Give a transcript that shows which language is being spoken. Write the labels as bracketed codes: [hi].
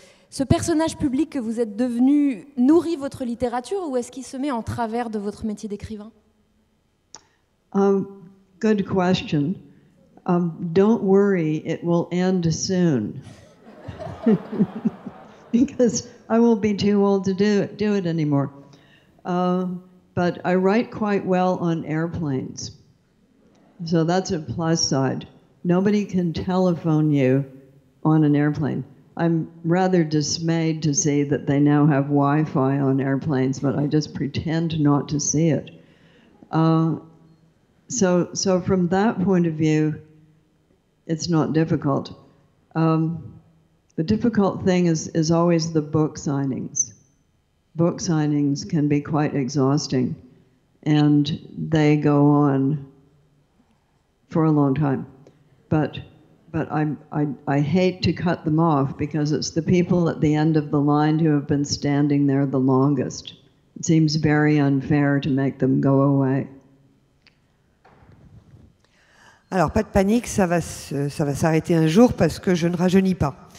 [fr] Ce personnage public que vous êtes devenu nourrit votre littérature ou est-ce qu'il se met en travers de votre métier d'écrivain? [en] Good question. Don't worry, it will end soon. Because I won't be too old to do it anymore. But I write quite well on airplanes. So that's a plus side. Nobody can telephone you on an airplane. I'm rather dismayed to see that they now have Wi-Fi on airplanes, but I just pretend not to see it. So from that point of view, it's not difficult. The difficult thing is always the book signings. Book signings can be quite exhausting, and they go on for a long time. But I hate to cut them off, because it's the people at the end of the line who have been standing there the longest. It seems very unfair to make them go away. [fr] Alors, pas de panique, ça va s'arrêter un jour parce que je ne rajeunis pas.